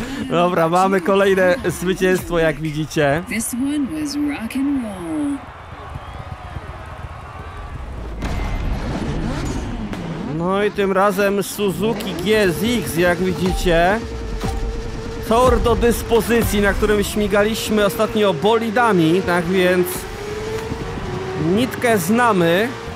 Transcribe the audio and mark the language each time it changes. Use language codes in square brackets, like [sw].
[pl] Dobra, mamy kolejne zwycięstwo, jak widzicie. [en] This one was rock and roll. [pl] No i tym razem Suzuki GSX, jak widzicie. Tor do dyspozycji, na którym śmigaliśmy ostatnio bolidami, tak więc nitkę znamy.